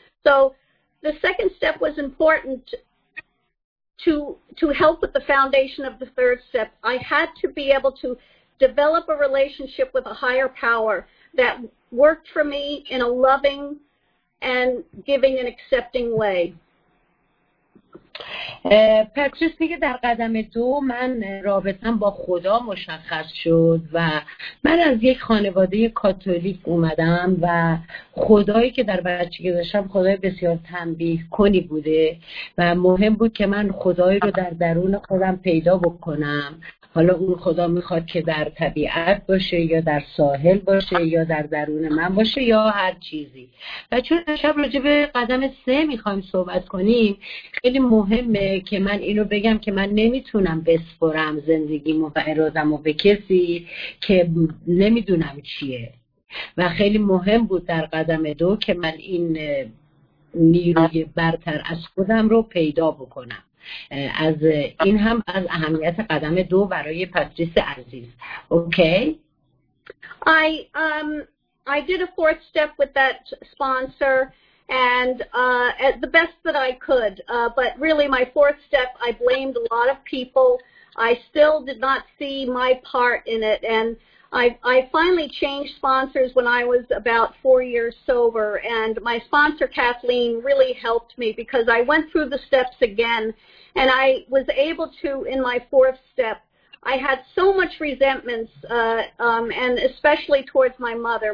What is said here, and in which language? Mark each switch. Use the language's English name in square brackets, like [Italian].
[English] So the second step was important to help with the foundation of the third step. I had to be able to develop a relationship with a higher power that worked for me in a loving and giving and accepting way. [Persian] پترس میگه در قدم دو من رابطم با خدا مشخص شد و من از یک خانواده کاتولیک اومدم و خدایی که در بچگی داشتم خدای بسیار تنبیه کنی بوده و مهم بود که من خدایی رو در درون خودم پیدا بکنم، حالا اون خدا میخواد که در طبیعت باشه یا در ساحل باشه یا در درون من باشه یا هر چیزی. و چون شب راجع به قدم سه میخوایم صحبت کنیم، خیلی مهمه که من اینو بگم که من نمیتونم بسپرم زندگیمو و ارادمو به کسی که نمیدونم چیه، و خیلی مهم بود در قدم دو که من این نیروی برتر از خودم رو پیدا بکنم. از این هم از اهمیت قدم دو برای پاتریس عزیز. اوکی. [English] I did a fourth step with that sponsor and at the best that I could. But really my fourth step, I blamed a lot of people. I still did not see my part in it, and I finally changed sponsors when I was about 4 years sober, and my sponsor Kathleen really helped me, because I went through the steps again, and I was able to, in my fourth step, I had so much resentments, and especially towards my mother.